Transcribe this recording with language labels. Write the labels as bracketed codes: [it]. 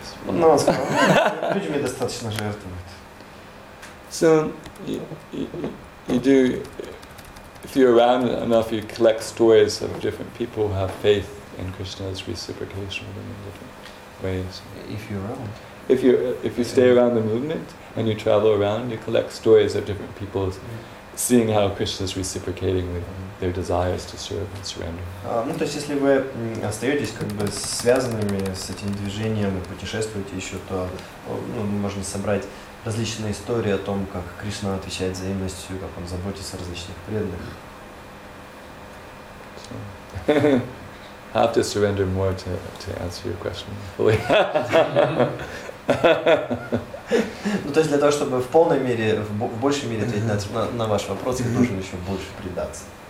[ru] No, люди мне достаточно жертвуют. [en] So you do, if you're around enough, you collect stories of different people who have faith in Krishna's reciprocation of them in different ways. If you're around. If you stay around the movement and you travel around, you collect stories of different people seeing how Krishna's reciprocating with them. Their desires to serve and surrender. [ru] Ну то есть если вы остаетесь как бы связанными с этим движением и путешествуете еще, то ну, можно собрать различные истории о том, как Кришна отвечает взаимностью, как он заботится о различных преданных. [en] So, have to surrender more to answer your question fully. [ru] Ну, то есть для того, чтобы в полной мере, в большей мере ответить на ваш вопрос, я должен еще больше предаться.